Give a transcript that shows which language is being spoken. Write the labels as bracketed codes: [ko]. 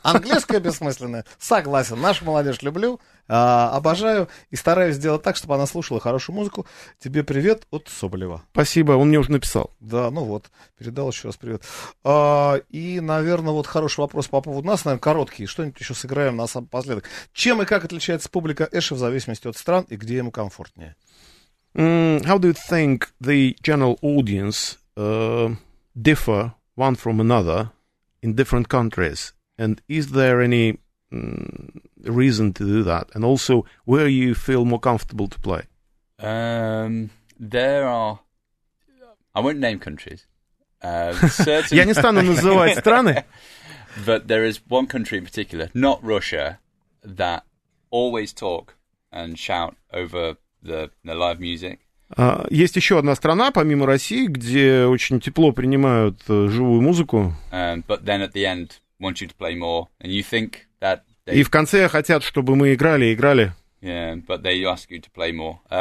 [ru] Английская бессмысленная. Согласен, нашу молодежь люблю, обожаю и стараюсь сделать так, чтобы она слушала хорошую музыку. Тебе привет от Соболева. Спасибо, он мне уже написал. Да, ну вот, передал еще раз привет. И, наверное, вот хороший вопрос по поводу нас, наверное, короткий. Что-нибудь еще сыграем на самом последок. Чем и как отличается публика Эша в зависимости от стран и где ему комфортнее? [en] How do you think the general audience differ one from another in different countries? And is there any reason to do that? And also, where you feel more comfortable to play? There are... I won't name countries. [ru] Я не стану называть страны. [en] But there is one country in particular, not Russia, that always talk and shout over the live music. [ru] Есть еще одна страна, помимо России, где очень тепло принимают живую музыку. [en] But then at the end, want you to play more, and you think that... [ru] И в конце хотят, чтобы мы играли, играли. [en] Yeah, but they ask you to play more.